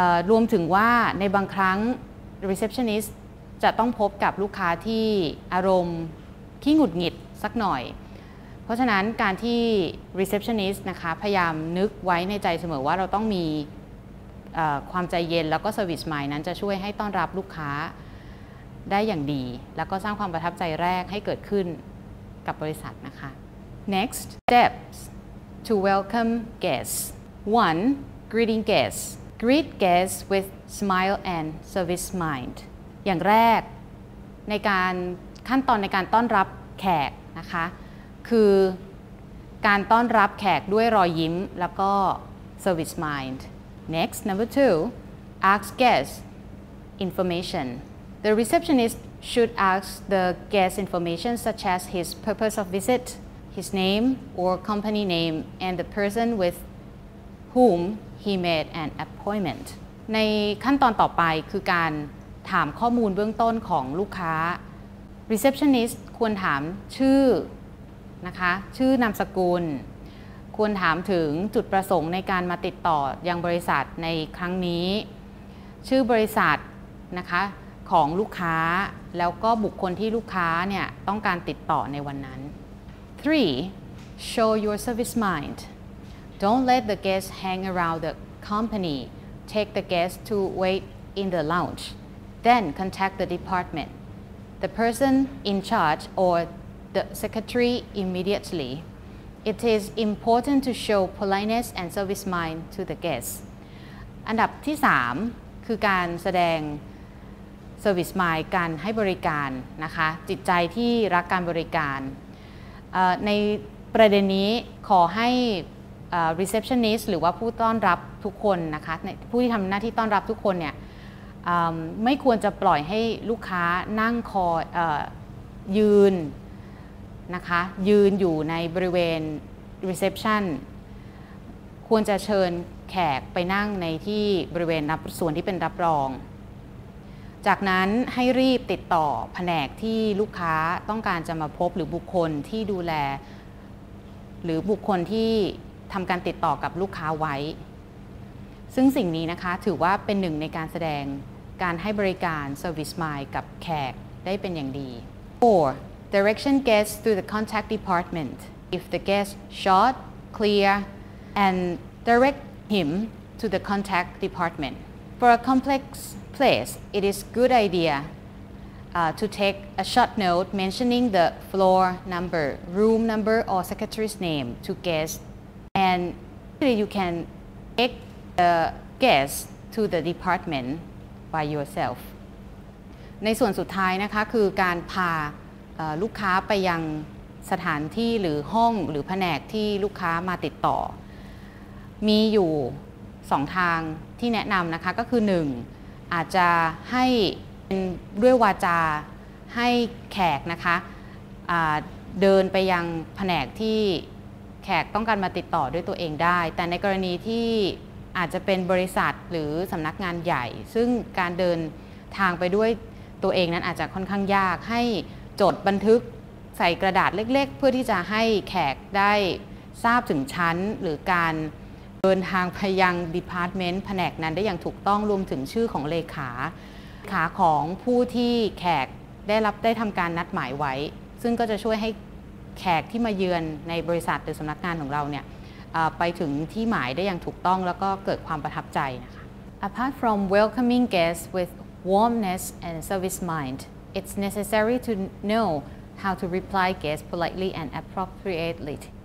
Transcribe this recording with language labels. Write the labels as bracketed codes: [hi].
[th] รวมถึงว่าในบางครั้ง receptionist จะต้องพบกับลูกค้าที่อารมณ์ขี้หงุดหงิดสักหน่อยเพราะฉะนั้นการที่ receptionist นะคะพยายามนึกไว้ในใจเสมอว่าเราต้องมีความใจเย็นแล้วก็ service mind นั้นจะช่วยให้ต้อนรับลูกค้าได้อย่างดีแล้วก็สร้างความประทับใจแรกให้เกิดขึ้นกับบริษัทนะคะ [en] Next steps to welcome guests 1. greeting guests greet guests with smile and service mind [th] อย่างแรกในการขั้นตอนในการต้อนรับแขกนะคะคือการต้อนรับแขกด้วยรอยยิ้มแล้วก็ service mind [en] next number two ask guests information the The receptionist should ask the guest information such as his purpose of visit, his name or company name, and the person with whom he made an appointment. [th] ในขั้นตอนต่อไปคือการถามข้อมูลเบื้องต้นของลูกค้า Receptionist ควรถามชื่อนะคะชื่อนามสกุลควรถามถึงจุดประสงค์ในการมาติดต่อยังบริษัทในครั้งนี้ชื่อบริษัทนะคะของลูกค้าแล้วก็บุคคลที่ลูกค้าเนี่ยต้องการติดต่อในวันนั้น [en] 3. Show your service mind. Don't let the guests hang around the company. Take the guests to wait in the lounge. Then contact the department, the person in charge or the secretary immediately. It is important to show politeness and service mind to the guests. [th] อันดับที่3คือการแสดงservice mind การให้บริการนะคะจิตใจที่รักการบริการในประเด็นนี้ขอให้receptionist หรือว่าผู้ต้อนรับทุกคนนะคะผู้ที่ทำหน้าที่ต้อนรับทุกคนเนี่ยไม่ควรจะปล่อยให้ลูกค้านั่งคอยยืนนะคะยืนอยู่ในบริเวณ reception ควรจะเชิญแขกไปนั่งในที่บริเวณรับส่วนที่เป็นรับรองจากนั้นให้รีบติดต่อแผนกที่ลูกค้าต้องการจะมาพบหรือบุคคลที่ดูแล หรือบุคคลที่ทำการติดต่อกับลูกค้าไว้ซึ่งสิ่งนี้นะคะถือว่าเป็นหนึ่งในการแสดงการให้บริการ service mind กับแขกได้เป็นอย่างดี 4. [en] Direction guests to the contact department if the guest short clear and direct him to the contact department for a complexplace, it is good idea to take a short note mentioning the floor number, room number, or secretary's name to guests. And you can take the guests to the department by yourself. [th] ในส่วนสุดท้ายนะคะคือการพาลูกค้าไปยังสถานที่หรือห้องหรือแผนกที่ลูกค้ามาติดต่อมีอยู่สองทางที่แนะนำนะคะก็คือหนึ่งอาจจะให้ด้วยวาจาให้แขกนะคะเดินไปยังแผนกที่ แขกต้องการมาติดต่อด้วยตัวเองได้แต่ในกรณีที่อาจจะเป็นบริษัทหรือสำนักงานใหญ่ซึ่งการเดินทางไปด้วยตัวเองนั้นอาจจะค่อนข้างยากให้จดบันทึกใส่กระดาษเล็กๆเพื่อที่จะให้แขกได้ทราบถึงชั้นหรือการเดินทางไปยังดีพาร์ตเมนต์แผนกนั้นได้อย่างถูกต้องรวมถึงชื่อของเลขา ขาของผู้ที่แขกได้รับได้ทำการนัดหมายไว้ซึ่งก็จะช่วยให้แขกที่มาเยือนในบริษัทหรือสำนักงานของเราเนี่ยไปถึงที่หมายได้อย่างถูกต้องแล้วก็เกิดความประทับใจนะคะ [en] Apart from welcoming guests with warmness and service mind, it's necessary to know how to reply guests politely and appropriately.